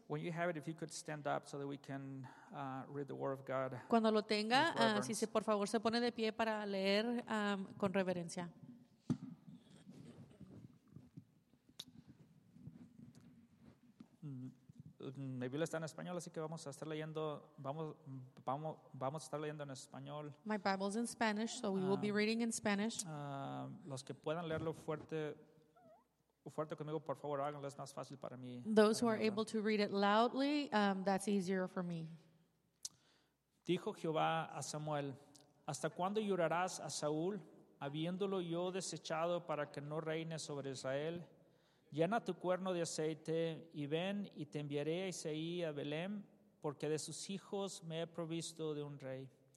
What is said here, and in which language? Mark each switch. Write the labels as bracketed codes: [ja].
[en] When you have it, if you could stand up so that we can read the word of God. [es] Cuando lo tenga, si se por favor se pone de pie para leer con reverencia. Mi Biblia está en español, así que vamos a estar leyendo. Vamos a estar leyendo en español. [en] My Bible's in Spanish, so we will be reading in Spanish. [es] Los que puedan leerlo fuerte conmigo, por favor, háganlo, es más fácil para mí. [en] Those who are able to read it loudly, that's easier for me. [es] Dijo Jehová a Samuel: ¿Hasta cuándo llorarás a Saúl, habiéndolo yo desechado para que no reine sobre Israel? Llena tu cuerno de aceite y ven y te enviaré a Isaí a Belén, porque de sus hijos me he provisto de un rey.